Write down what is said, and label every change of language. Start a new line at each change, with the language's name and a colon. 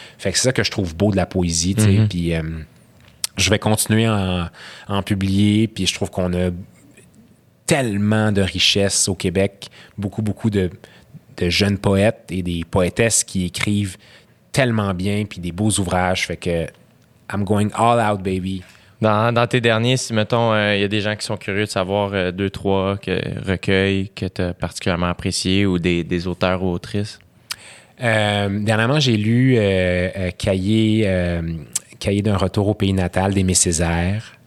French: Fait que c'est ça que je trouve beau de la poésie. Puis je vais continuer à en publier. Puis je trouve qu'on a tellement de richesses au Québec. Beaucoup, beaucoup de jeunes poètes et des poétesses qui écrivent tellement bien puis des beaux ouvrages. Fait que
English: I'm going all out, baby.
French: Dans tes derniers, si mettons, il y a des gens qui sont curieux de savoir deux, trois recueils que tu as particulièrement appréciés ou des auteurs ou autrices. Dernièrement, j'ai lu Cahier d'un retour au pays natal d'Aimé Césaire.